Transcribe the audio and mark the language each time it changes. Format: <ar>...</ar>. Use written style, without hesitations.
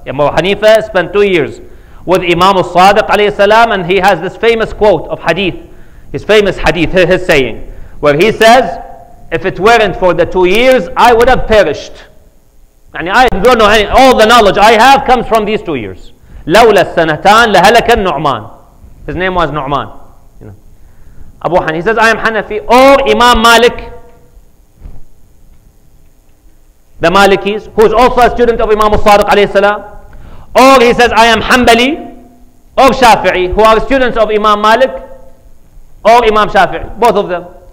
<en>Imam Hanifa spent 2 years with Imam As-Sadiq alayhi salam, and he has this famous quote of hadith, his famous hadith, his saying, where he says, if it weren't for the 2 years, I would have perished. And I don't know any, all the knowledge I have comes from these 2 years.</en> <ar>لولا السنتان لهلك النعمان.</ar> <en>His name was Nu'man. You know. Abu Hanifa, he says, I am Hanafi, or Imam Malik, the Malikis, who is also a student of Imam As-Sadiq alayhi salam. Or he says, I am Hanbali, or Shafi'i, who are students of Imam Malik, or Imam Shafi'i, both of them.</en>